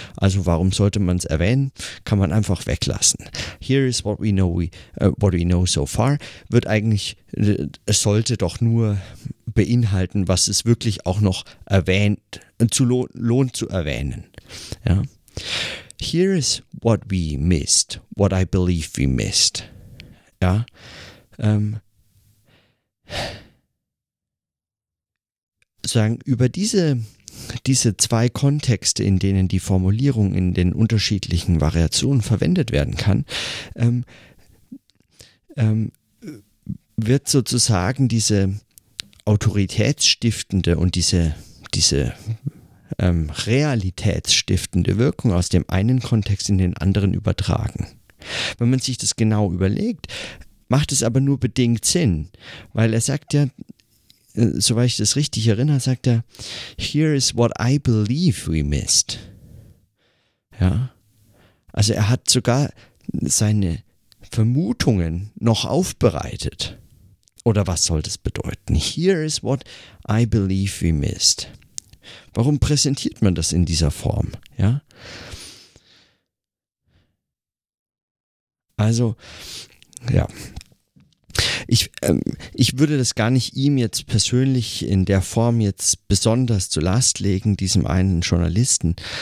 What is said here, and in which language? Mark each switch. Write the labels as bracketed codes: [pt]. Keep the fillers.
[de] Also warum sollte man es erwähnen? Kann man einfach weglassen. [en] Here is what we know, we, uh, what we know so far [de] wird eigentlich, äh, es sollte doch nur beinhalten, was es wirklich auch noch erwähnt, zu lohnt, lohnt zu erwähnen. Ja. [en] Here is what we missed, what I believe we missed. [de] Ja. Ähm. Sagen, über diese, diese zwei Kontexte, in denen die Formulierung in den unterschiedlichen Variationen verwendet werden kann, ähm, ähm, wird sozusagen diese, autoritätsstiftende und diese, diese ähm, realitätsstiftende Wirkung aus dem einen Kontext in den anderen übertragen. Wenn man sich das genau überlegt, macht es aber nur bedingt Sinn, weil er sagt ja, äh, soweit ich das richtig erinnere, sagt er, [en] here is what I believe we missed. [de] Ja. Also er hat sogar seine Vermutungen noch aufbereitet. Oder was soll das bedeuten? [en] Here is what I believe we missed. [de] Warum präsentiert man das in dieser Form? Ja? Also, ja. Ich, ähm, ich würde das gar nicht ihm jetzt persönlich in der Form jetzt besonders zur Last legen, diesem einen Journalisten.